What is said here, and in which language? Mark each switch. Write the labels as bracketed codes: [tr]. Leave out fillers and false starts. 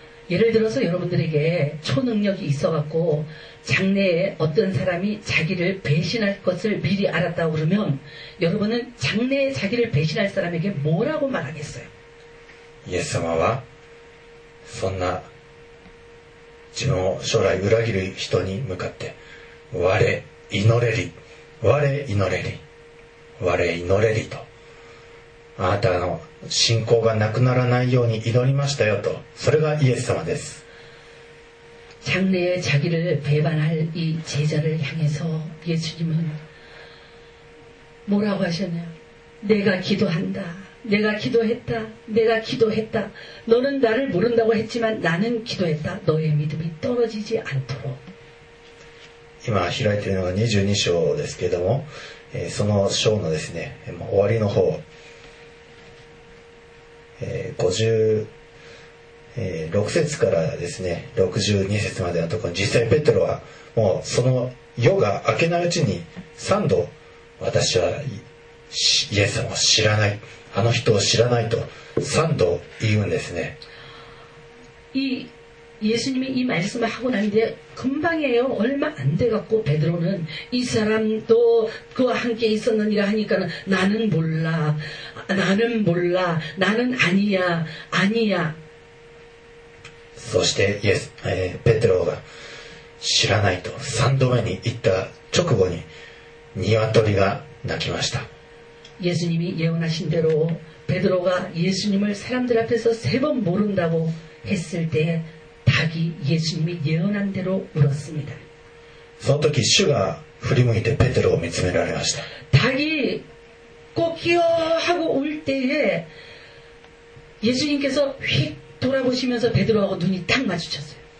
[ko] 예를 들어서 여러분들에게 초능력이 있어갖고 장래에 어떤 사람이 자기를 배신할 것을 미리 알았다고 그러면 여러분은 장래에 자기를 배신할 사람에게 뭐라고 말하겠어요? [ja] 예수様は そんな 自分を将来裏切る人に向かって我祈れり我祈れり我祈れりとあなたの信仰がなくならないように祈りましたよとそれがイエス様です。 [ko] 장래에 자기를 배반할 이 제자를 향해서 예수님은 뭐라고 하셨나요? 내가 기도한다. 내가 기도했다. 내가 기도했다. 너는 나를 모른다고 했지만 나는 기도했다. 너의 믿음이 떨어지지 않도록. [ja] 지금 開いているのが 22章ですけども, その章のですね, 終わりの方, 56節からですね, 62節までのところ, 実際 ペテロは もうその夜が明けないうちに 3度 私はイエス様を知らない, あの人を知らないと 3度 言うんですね。 [ko] 이 예수님이 이 말씀을 하고 난 뒤에 금방이에요. 얼마 안 돼갖고 베드로는 이 사람도 그와 함께 있었느니라 하니까 나는 몰라, 나는 몰라, 나는 아니야, 아니야. [ja] そしてイエス、ペテロが知らないと3度目に言った直後に鶏が鳴きました。 [ko] 예수님이 예언하신 대로 베드로가 예수님을 사람들 앞에서 세 번 모른다고 했을 때 닭이 예수님이 예언한 대로 울었습니다. [ja] その時主が振り向いてペテロを見つめられました。 [ko] 닭이 꼬끼어 하고 울 때에 예수님께서 휙 돌아보시면서 베드로하고 눈이 딱 마주쳤어요.